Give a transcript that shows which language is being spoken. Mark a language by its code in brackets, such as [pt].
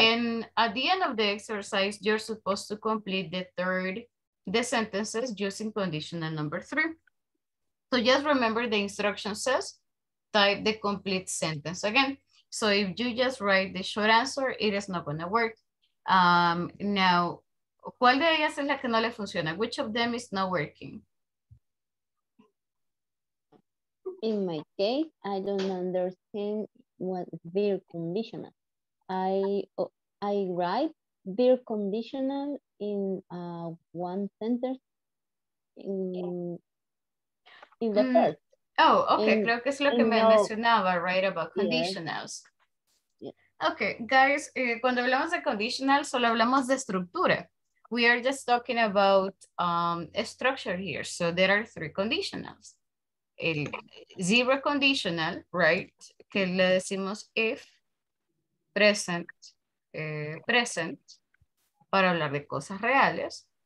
[en] And at the end of the exercise, you're supposed to complete the sentences using conditional number 3. So just remember the instruction says, type the complete sentence again. So if you just write the short answer, it is not gonna work. [es] Now, ¿cuál de ellas es la que no le funciona? [en] Which of them is not working? In my case, I don't understand what their conditional. I write their conditional in one sentence, in the past. [es] Oh, okay. Creo que es lo que me mencionaba, right, [en] about conditionals. [es] Yeah. Okay, guys, cuando hablamos de conditional, solo hablamos de estructura. [en] We are just talking about a structure here. So there are three conditionals. El zero conditional, right? [es] Que le decimos if, present, present, para hablar de cosas reales.